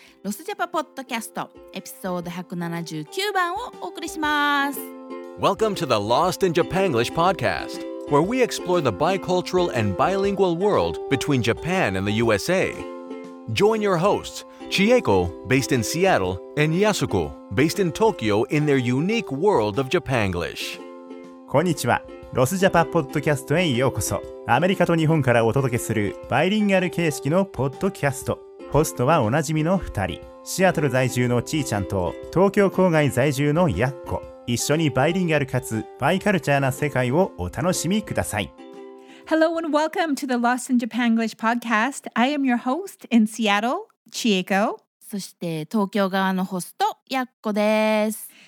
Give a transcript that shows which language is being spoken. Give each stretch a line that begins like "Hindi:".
Japanese: ロスジャパポッドキャストエピソード179番をお送りします。
English: Welcome to the Lost in Japan English podcast, where we explore the bicultural and bilingual world between Japan and the USA. Join your hosts, Chieko, based in Seattle, and Yasuko, based in Tokyo, in their unique world of Japanglish.
Japanese: こんにちは。ロスジャパポッドキャストへようこそ。アメリカと日本からお届けするバイリンガル形式のポッドキャスト。ホストはおなじみの2人、シアトル在住のちーちゃんと東京郊外在住のやっこ。一緒にバイリンガルかつバイカルチャーな世界をお楽しみください。
English: Hello and welcome to the Lost in Japan English podcast. I am your host in Seattle, Chieko.
Japanese: そして東京側のホスト、やっこです。